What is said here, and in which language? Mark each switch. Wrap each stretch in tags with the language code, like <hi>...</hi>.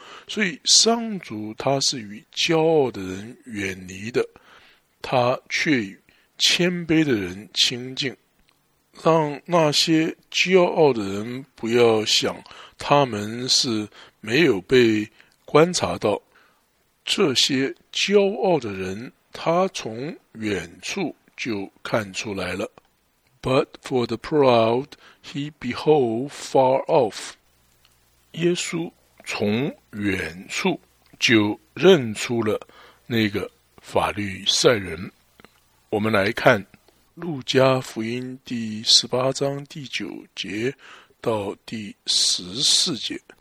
<zh>所以上主他是与骄傲的人远离的，他却与谦卑的人亲近，让那些骄傲的人不要想他们是没有被观察到。这些骄傲的人他从远处就看出来了。</zh> <en>But for the proud, he behold far off.</en> <zh>耶稣从远处就认出了那个法律赛人。我们来看路加福音第18章第9节到第14节。</zh>